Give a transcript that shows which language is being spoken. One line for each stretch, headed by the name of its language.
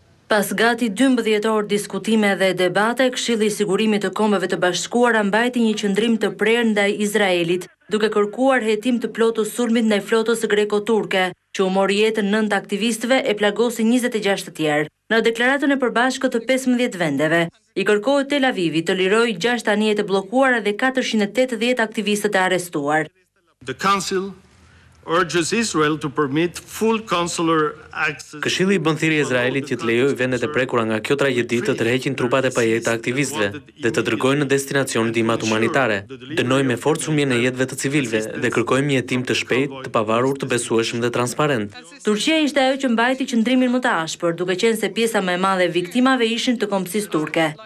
Albanian: Pas gati 12 orë diskutime dhe debate, Këshilli i Sigurimit të Kombeve të Bashkuara mbajti një qëndrim të prerë ndaj Izraelit, duke kërkuar hetim të plotë sulmit ndaj flotës greko-turke, që u mori jetën 9 aktivistëve e plagosi 26 të tjerë. Në deklaratën e përbashkët të 15 vendeve, i kërkohet Tel Avivit të lirojë 6 anije të bllokuara dhe 480 aktivistë të arrestuar.
English: The Council urges Israel to permit full consular access.
Albanian: Këshilli bën thirrje Izraelit që të lejojë vendet e prekura nga kjo tragjedi të tërheqin trupat e pajeta aktivistëve dhe të dërgojnë në destinacion ndihmat humanitare. Dënojmë me forcë humbjen e jetëve të civilëve dhe kërkojmë një hetim të shpejtë, të pavarur, të besueshëm dhe transparent. Turqia ishte ajo që mbajti qëndrimin më të ashpër, duke qenë se pjesa më e madhe e viktimave ishin të kombësisë turke.